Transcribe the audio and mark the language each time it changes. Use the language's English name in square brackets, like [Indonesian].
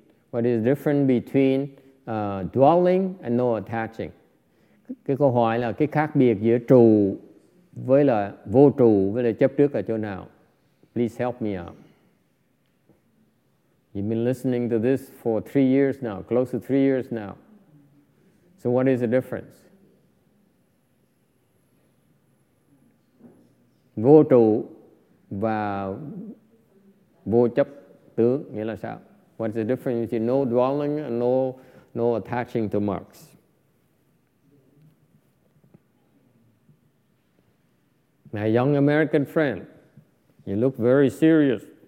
[English] What is the difference between dwelling and no attaching? [Vietnamese] Cái câu hỏi là cái khác biệt giữa trụ với là vô trụ với là chấp trước ở chỗ nào? [English] Please help me out. You've been listening to this for 3 years now, close to 3 years now. So what is the difference? [Vietnamese] Vô trụ và vô chấp tướng nghĩa là sao? [English] What is the difference between no dwelling and no attaching to marks? My young American friend, you look very serious.